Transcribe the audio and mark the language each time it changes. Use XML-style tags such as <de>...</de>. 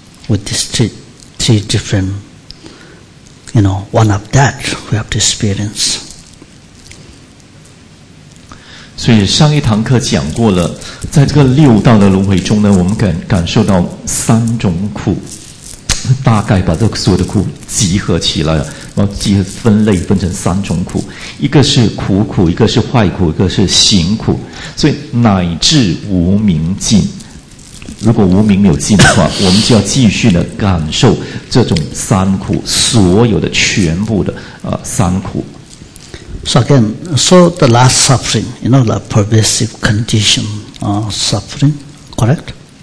<en>With these three different, you know, one of that we have to experience.</en> <zh>所以上一堂课讲过了，在这个六道的轮回中呢，我们感受到三种苦，大概把这所有的苦集合起来，然后分成三种苦，一个是苦苦，一个是坏苦，一个是行苦，所以乃至无明尽。如果无明没有尽的话，我们就要继续的感受这种三苦，所有的全部的三苦。</zh> <en>So again, so the last suffering, you know, the pervasive condition, suffering, correct?</en>